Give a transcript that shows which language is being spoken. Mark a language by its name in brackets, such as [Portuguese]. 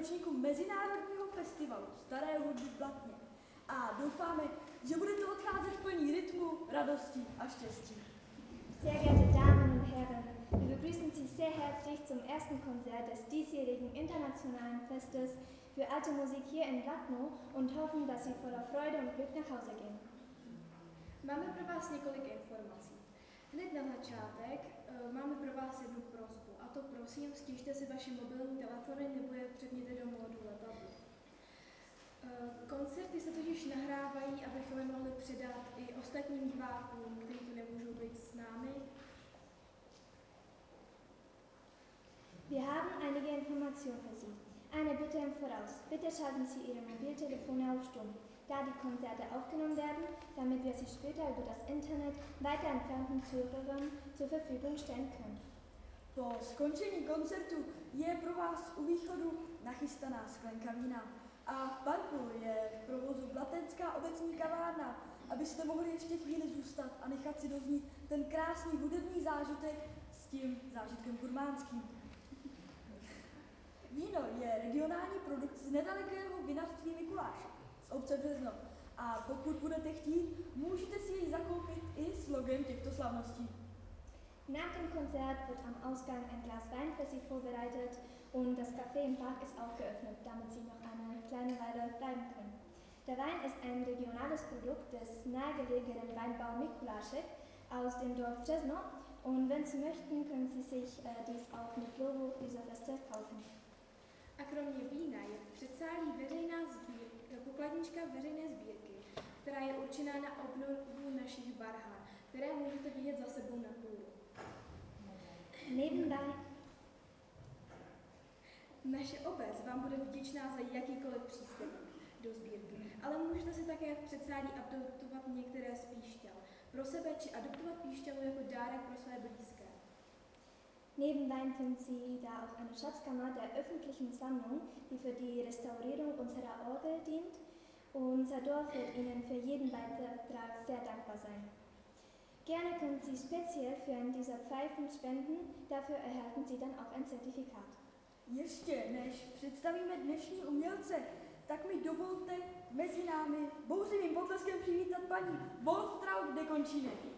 [Czech] Mezinárodního festivalu staré hudby v Blatně a doufáme, že budete odcházet plní rytmu, radosti a štěstí. [German] Sehr geehrte Damen und Herren, wir begrüßen Sie sehr herzlich zum ersten Konzert des diesjährigen internationalen Festes für alte Musik hier in Blatnau und hoffen, dass Sie voller Freude und Glück nach Hause gehen. [Czech] Máme pro vás několik informací. Hned na začátek máme pro vás jednu prosbu, a to prosím, stěžte si vaše mobilní telefony nebo je přepněte do módu letadlo. Koncerty se totiž nahrávají, abychom je mohli předat i ostatním divákům, kteří tu nemůžou být s námi. [German] Wir haben einige Informationen für Sie. Eine Bitte im Voraus. Bitte schalten Sie Ihre Mobiltelefone auf Stumm, da die Konzerte aufgenommen werden, damit wir sie später über das Internet weiter entfernten Zuhörern zur Verfügung stellen können. [Czech] Po skončení koncertu je pro vás u východu nachystaná sklenka vína. A v parku je v provozu Blatenská obecní kavárna, abyste mohli ještě chvíli zůstat a nechat si doznít ten krásný hudební zážitek s tím zážitkem gurmánským. Víno je regionální produkt z nedalekého vinařství Mikuláš z obce Březno. A pokud budete chtít, můžete si jej zakoupit i s logem těchto slavností. [German] Nach dem Konzert wird am Ausgang ein Glas Wein für Sie vorbereitet und das Café im Park ist auch geöffnet, damit Sie noch eine kleine Weile bleiben können. Der Wein ist ein regionales Produkt des nahegelegenen Weinbau Mikulášek aus dem Dorf Březno und wenn Sie möchten, können Sie sich dies auch mit Logo dieser Feste kaufen. [Czech] A kromě vína je předsálí veřejná sbírka, pokladnička veřejné sbírky, která je určená na obnovu našich barhán, které můžete vidět za sebou na půlu. [German] Nebenbei. [Czech] Naše obec vám bude vděčná za jakýkoliv příspěvek do sbírky, ale můžete si také v předsálí adoptovat některé z píšťal pro sebe či adoptovat píšťalu jako dárek pro své blízké. [German] Neben Wein finden Sie da auch eine Schatzkammer der öffentlichen Sammlung, die für die Restaurierung unserer Orgel dient. Unser Dorf wird Ihnen für jeden Beitrag sehr dankbar sein. Gerne können Sie speziell für einen dieser Pfeifen spenden, dafür erhalten Sie dann auch ein Zertifikat. [Czech] Ještě než představíme dnešní umělce, tak mi dovolte mezi námi bouřivým potleskem přivítat paní Wolftraut de Končine.